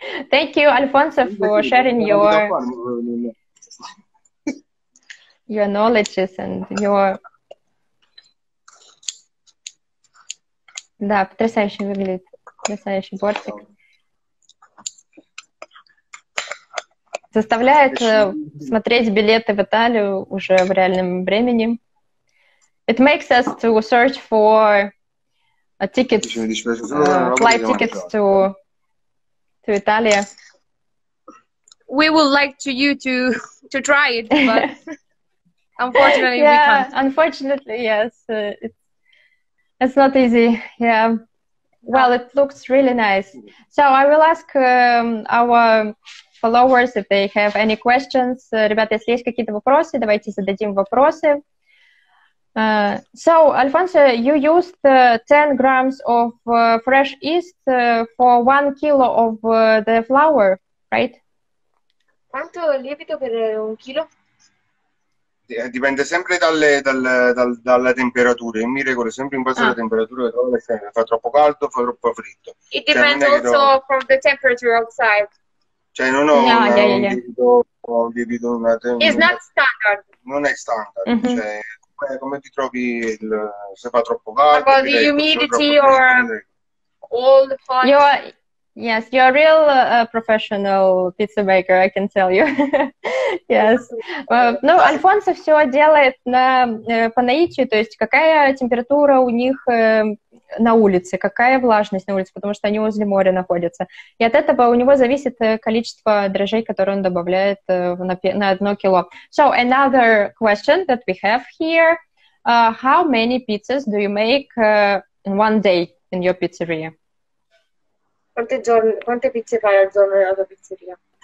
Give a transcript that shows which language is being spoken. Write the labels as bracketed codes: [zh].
[en] Thank you, Alfonso, for sharing your knowledge and your... [ru] Да, потрясающе выглядит, потрясающий бортик. Заставляет смотреть билеты в Италию уже в реальном времени. [en] It makes us to search for a ticket, flight tickets to Italy. We would like to you to try it, but unfortunately yeah, we can't. Unfortunately, yes. It's not easy. Yeah. Well, it looks really nice. So I will ask our followers if they have any questions. [ru] Ребята, если есть какие-то вопросы, давайте зададим вопросы. [en] So, Alfonso, you used 10 grams of fresh yeast for 1 kilo of the flour, right? [it] Quanto lievito per un chilo? dipende sempre dalla temperatura. Io mi regolo sempre in base alla temperatura che trovo all'esterno. Fa troppo caldo, fa troppo freddo. [en] It depends also from the temperature outside. [it] Cioè non ho un lievito, una temperatura. [en] It's not standard. [it] Non è standard. Mm-hmm. Cioè, come ti trovi se fa troppo caldo? [en] About the humidity or all the fun? Yes, you're a real professional pizza maker, I can tell you. Yes. [ru] Ну, Альфонсо все делает по наитию, то есть какая температура у них на улице, какая влажность на улице, потому что они возле моря находятся. И от этого у него зависит количество дрожжей, которые он добавляет на одно кило. [en] So, another question that we have here. How many pizzas do you make in one day in your pizzeria? [it] Quante pizze fai al giorno nella tua pizzeria?